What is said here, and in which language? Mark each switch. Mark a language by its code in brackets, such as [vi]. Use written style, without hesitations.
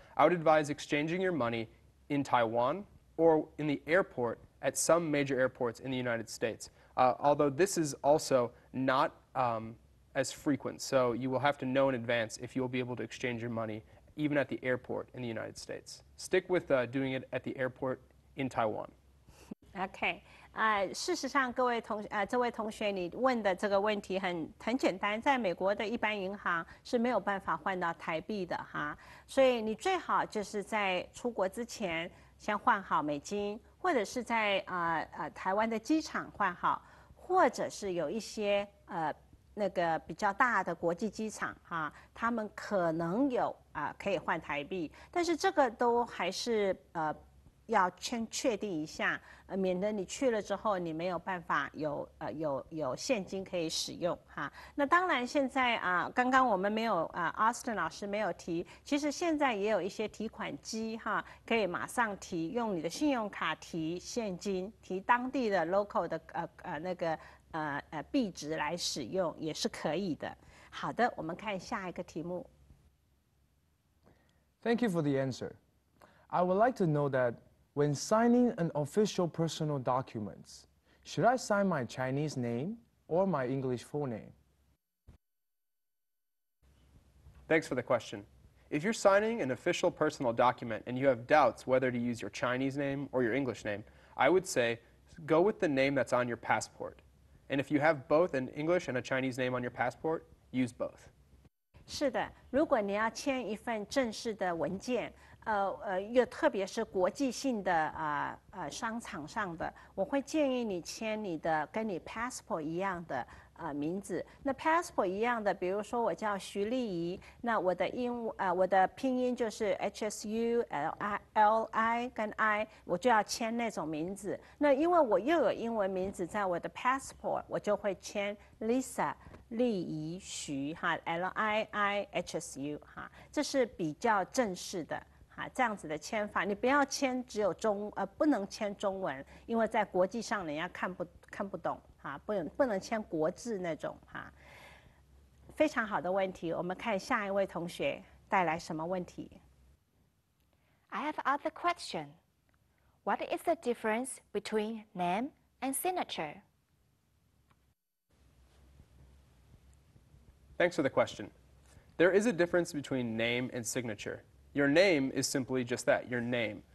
[en] I would advise exchanging your money in Taiwan or in the airport at some major airports in the United States. Although this is also not as frequent, so you will have to know in advance if you'll be able to exchange your money even at the airport in the United States. Stick with doing it at the airport in Taiwan. Okay. [zh] 事实上，各位同这位同学，你问的这个问题很简单，在美国的一般银行是没有办法换到台币的哈，所以你最好就是在出国之前先换好美金，或者是在台湾的机场换好，或者是有一些那个比较大的国际机场哈，他们可能有可以换台币，但是这个都还是要先确定一下，免得你去了之后你没有办法有现金可以使用哈。那当然现在刚刚我们没有Austin 老师没有提，其实现在也有一些提款机哈，可以马上提，用你的信用卡提现金，提当地的 local 的那个币值来使用也是可以的。好的，我们看下一个题目。 [en] Thank you for the answer. I would like to know that when signing an official personal document, should I sign my Chinese name or my English full name? Thanks for the question. If you're signing an official personal document and you have doubts whether to use your Chinese name or your English name, I would say go with the name that's on your passport. And if you have both an English and a Chinese name on your passport, use both. [zh] 是的，如果你要签一份正式的文件，又特别是国际性的商场上的，我会建议你签你的跟你 passport 一样的名字。那 passport 一样的，比如说我叫徐丽仪，那我的我的拼音就是 HSULI 跟 I， 我就要签那种名字。那因为我又有英文名字在我的 passport， 我就会签 Lisa 丽仪徐哈 LIIHSU 哈，这是比较正式的。这样子的签法，你不要签只有中不能签中文，因为在国际上人家看不懂啊，不能签国字那种啊。非常好的问题，我们看下一位同学带来什么问题。 [en] I have other question. What is the difference between name and signature? Thanks for the question. There is a difference between name and signature. Your name is simply just that, your name.